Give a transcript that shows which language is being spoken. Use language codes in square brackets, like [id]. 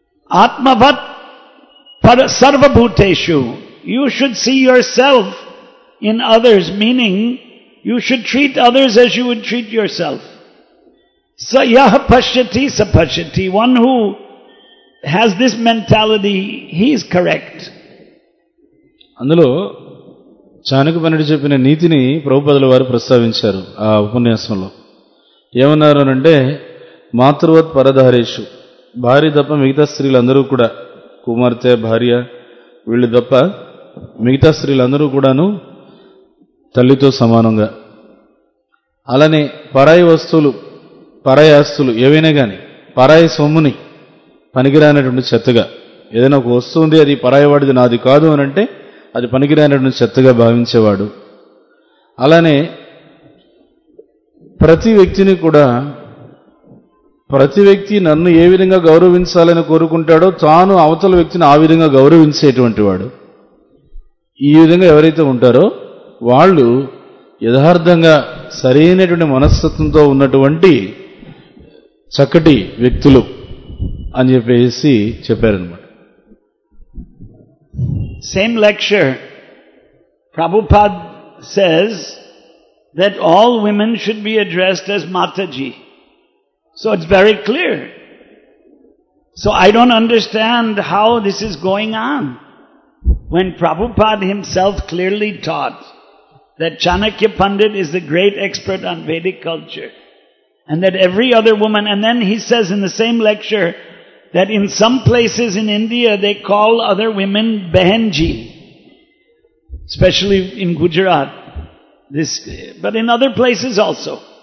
[sa] Atmavat para sarvabhuteshu, [en] you should see yourself in others, meaning you should treat others as you would treat yourself. [sa] Sa yah pashyati sa pashyati, [en] one who has this mentality, he is correct. [te] Andalo చాణక పండితుడు చెప్పిన నీతిని ప్రభుపదుల వారు ప్రస్తావించారు ఆ ఉపన్యాసంలో. ఏమన్నారు అంటే, [sa] మాతృవత్ పరధారేషు, [te] భార్య తప్ప మిగతా స్త్రీలందరూ కూడా, కుమార్తె భార్య వీళ్ళు తప్ప మిగతా స్త్రీలందరూ కూడాను తల్లితో సమానంగా. అలానే పరాయి వస్తువులు, పరాయి ఆస్తులు ఏవైనా కానీ, పరాయి సొమ్ముని పనికిరానటువంటి చెత్తగా, ఏదైనా ఒక వస్తువు ఉంది అది పరాయి వాడిది నాది కాదు అని అంటే అది పనికిరానటువంటి చెత్తగా భావించేవాడు. అలానే ప్రతి వ్యక్తిని కూడా, ప్రతి వ్యక్తి నన్ను ఏ విధంగా గౌరవించాలని కోరుకుంటాడో తాను అవతల వ్యక్తిని ఆ విధంగా గౌరవించేటువంటి వాడు, ఈ విధంగా ఎవరైతే ఉంటారో వాళ్ళు యథార్థంగా సరైనటువంటి మనస్తత్వంతో ఉన్నటువంటి చక్కటి వ్యక్తులు అని చెప్పేసి చెప్పారనమాట. [en] Same lecture, Prabhupada says that all women should be addressed as Mataji. So it's very clear. So I don't understand how this is going on, when Prabhupada himself clearly taught that Chanakya Pandit is the great expert on Vedic culture, and that every other woman, and then he says in the same lecture that in some places in India they call other women Behenji, especially in Gujarat, this, but in other places also.